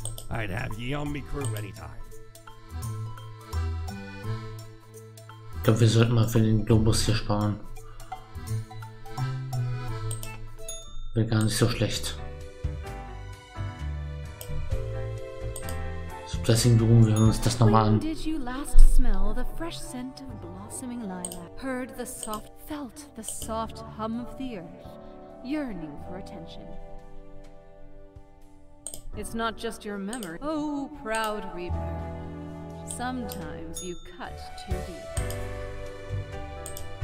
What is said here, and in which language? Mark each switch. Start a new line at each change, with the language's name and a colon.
English: I'd have ye on me crew anytime.
German: Ich glaube, wir sollten mal für den Globus hier sparen. Wäre gar nicht so schlecht. So, Blessing Bloom, wir hören uns das nochmal an.
English: Did you last smell the fresh scent of blossoming lilac? Heard the soft, felt the soft hum of the earth, yearning for attention. It's not just your memory. Oh, proud reaper. Sometimes you cut too deep.